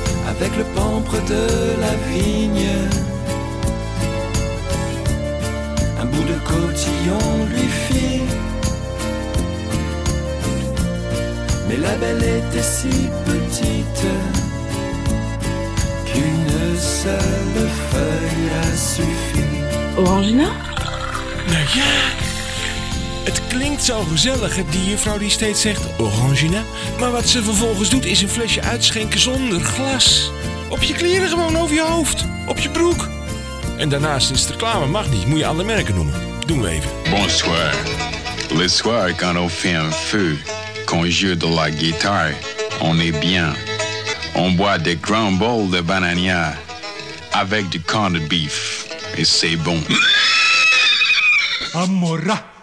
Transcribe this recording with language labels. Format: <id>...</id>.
<fr>Avec le pampre de la vigne, un bout de cotillon lui fit. Mais la belle était si petite qu'une seule feuille a suffi. Orangina?</fr> <nl>Nou ja, het klinkt zo gezellig, die juffrouw die steeds zegt Orangina. Maar wat ze vervolgens doet is een flesje uitschenken zonder glas. Op je kleren gewoon, over je hoofd, op je broek. En daarnaast is het reclame, mag niet, moet je andere merken noemen. Doen we even.</nl> <fr>Bonsoir. Le soir quand on fait un feu. Qu'on joue de la guitare, on est bien. On boit des grands bols de banania avec du corned beef, et c'est bon. Amora.</fr>